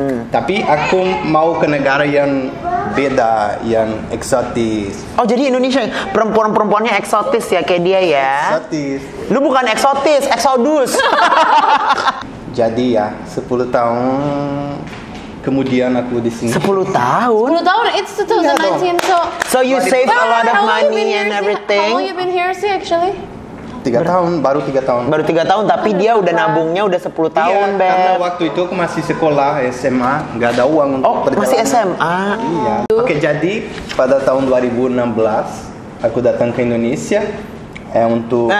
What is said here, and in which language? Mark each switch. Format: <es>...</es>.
<id>Tapi aku mau ke negara yang beda, yang eksotis. Oh, jadi Indonesia perempuan-perempuannya eksotis ya kayak dia ya? Eksotis. Lu bukan eksotis, eksodus. Jadi ya, 10 tahun kemudian aku di sini. 10 tahun? 10 tahun,</id> <en>it's 2019, so... So you saved a lot of money and everything? How long have you been here, sih, actually?</en> <id>3 tahun. Baru 3 tahun, tapi dia udah nabungnya udah 10 tahun, Beb. Iya, karena waktu itu aku masih sekolah, SMA. Nggak ada uang untuk perjalanan. Masih SMA? Iya. Oke, jadi pada tahun 2016, aku datang ke Indonesia untuk...</id>